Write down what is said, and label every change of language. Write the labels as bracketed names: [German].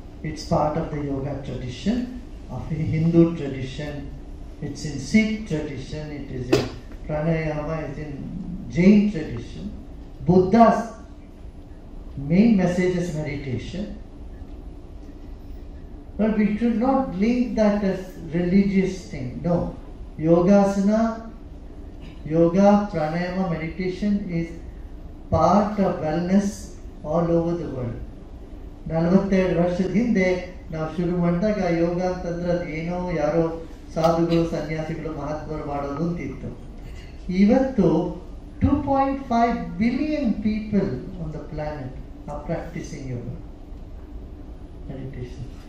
[English] It's part of the yoga tradition, of a Hindu tradition. It's in Sikh tradition, it is in pranayama, it's in Jain tradition. Buddha's main message is meditation. But we should not link that as religious thing. No. Yogasana, yoga, pranayama, meditation is part of wellness all over the world. [Kannada] 47 ವರ್ಷದ ಹಿಂದೆ ನಾವು ಶುರು ಮಾಡಿದಾಗ ಯೋಗ ಅಂತಂದ್ರೆ ಅದೇನೋ ಯಾರೋ ಸಾಧುಗಳು ಸನ್ಯಾಸಿಗಳು ಮಹಾತ್ಮರು ಮಾಡೋದು ಅಂತಿತ್ತು. ಇವತ್ತು [English] 2.5 billion people on the planet are practising yoga meditation.